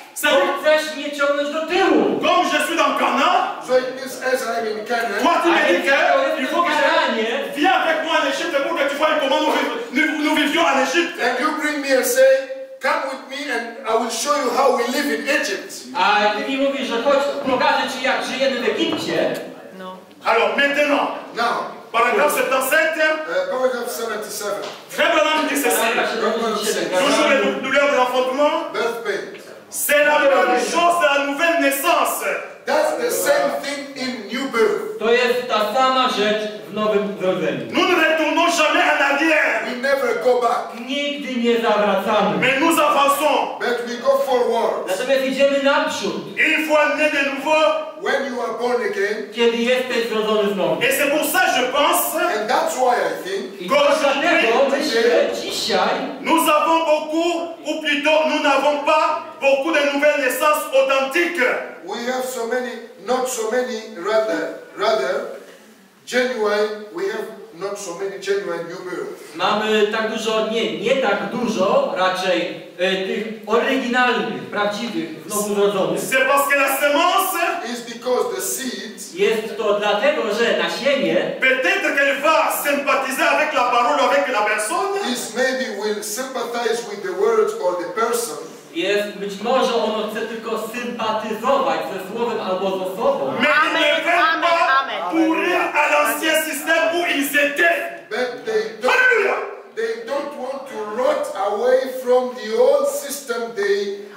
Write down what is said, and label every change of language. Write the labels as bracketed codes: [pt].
[pl] Chcesz mnie ciągnąć do tyłu. [fr] Comme je suis dans Cana. [en] So it means as I'm in Cana. [fr] Toi tu me dis que il faut que je gagne. Viens avec moi en Égypte pour que tu vois comment nous vivions en Égypte. [en] And you bring me and say, come with me and I will show you how we live in Egypt. [pl] A ty mi mówisz, że chodź, pokażę ci jak żyjemy w Egipcie. [en] No. [fr] Alors maintenant. [en] Now. Paragraph 77. Paragraph 77. [fr] Très bon homme dit ceci. Toujours les douleurs de l'enfantement. [en] Birth pain. [fr] C'est la même chose de la nouvelle naissance. [en] That's the same thing in new birth. [pl] To jest ta sama rzecz w nowym urodzeniu. [fr] Nous ne retournons jamais en arrière. [en] We never go back. [pl] Nigdy nie zawracamy. [fr] Mais nous avançons. [en] But we go forward. [pl] Natomiast idziemy naprzód. [fr] Une fois né de nouveau. [en] When you are born again. [pl] Kiedy jesteś zrodzony znowu. [fr] Et c'est pour ça je pense. [en] And that's why I think. [pl] Dzisiaj. [fr] Nous avons beaucoup, ou plutôt nous n'avons pas beaucoup de nouvelles naissances authentiques. [en] We have so many, not so many, rather genuine. We have not so many genuine new births. [pl] Mamy tak dużo, nie tak dużo, raczej tych oryginalnych, prawdziwych, nowonarodzonych. [fr] C'est parce que la semence. [en] Is because the seeds. [pl] Jest to dlatego, że nasienie. [fr] Peut-être qu'elle va sympathiser avec la parole, avec la personne. [en] Is maybe will sympathize with the words or the person. [pl] Jest, być może ono chce tylko sympatyzować ze słowem albo z osobą. Amen, amen, amen. [fr] Pourri à l'ancien système où ils étaient. [en] But they don't want to rot away from the old system they